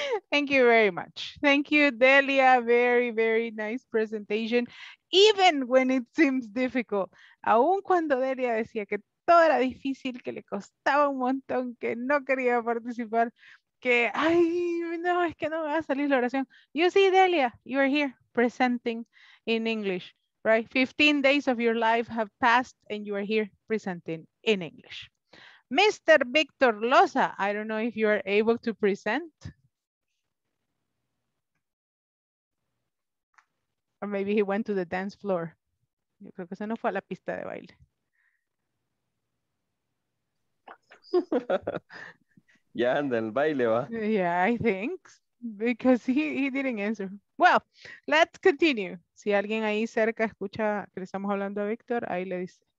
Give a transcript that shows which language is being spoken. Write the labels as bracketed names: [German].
[English] Thank you very much. Thank you, Delia. Very, very nice presentation. Even when it seems difficult. [Spanish] Aun cuando Delia decía que todo era difícil, que le costaba un montón, que no quería participar, que, ay, no, es que no me va a salir la oración. [English] You see, Delia, you are here presenting in English, right? 15 days of your life have passed and you are here presenting in English. Mr. Victor Loza, I don't know if you are able to present. Or maybe he went to the dance floor. [Spanish] Yo creo que se no fue a la pista de baile. Ya anda el baile, va. [English] Yeah, I think. Because he didn't answer. Well, let's continue. [Spanish] Si alguien ahí cerca escucha que le estamos hablando a Víctor, ahí le dice.